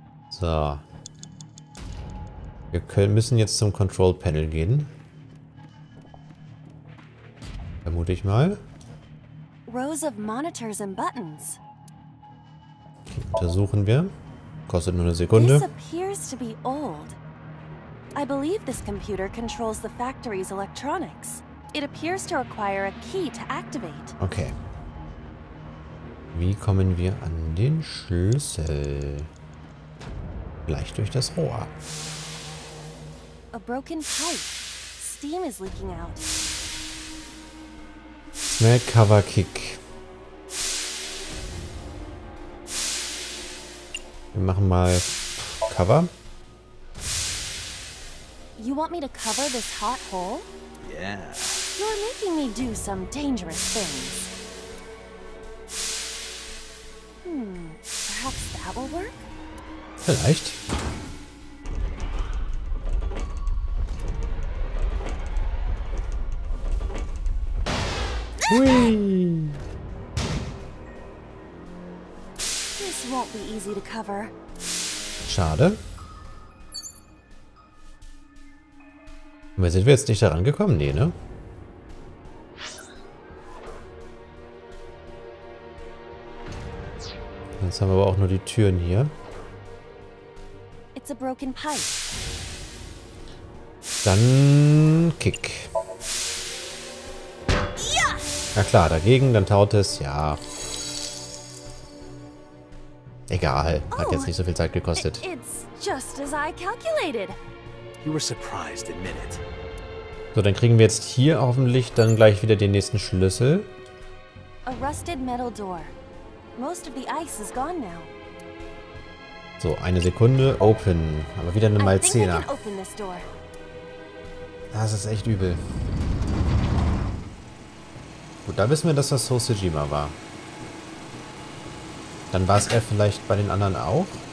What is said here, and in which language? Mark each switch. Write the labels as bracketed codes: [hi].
[de] So. Wir müssen jetzt zum Control Panel gehen. Vermute ich mal. [en] Rows of monitors and buttons. [de] Okay, untersuchen wir. Kostet nur eine Sekunde. [en] This appears to be old. I believe this computer controls the factory's electronics. It appears to require a key to activate. Okay. [de] Wie kommen wir an den Schlüssel? Gleich durch das Rohr. [en] A broken pipe. Steam is leaking out. Smell cover kick. [de] Wir machen mal Cover. [en] You want me to cover this hot hole? Yeah. You're making me do some dangerous things. Perhaps that will work? [de] Vielleicht. [en] This won't be easy to cover. [de] Schade. Sind wir jetzt nicht daran gekommen? Nee, ne? Jetzt haben wir aber auch nur die Türen hier. [en] It's a broken pipe. [de] Dann Kick. Na klar, dagegen, dann taut es, ja. Egal, hat jetzt nicht so viel Zeit gekostet. [en] It's just as I calculated. You were surprised, admit it. [de] So, dann kriegen wir jetzt hier hoffentlich dann gleich wieder den nächsten Schlüssel. A rusted metal door. Most of the ice is gone now. So, eine Sekunde, open. Aber wieder eine Malzena. Das ist echt übel. Gut, da wissen wir, dass das Hoshijima war. Dann war es er vielleicht bei den anderen auch.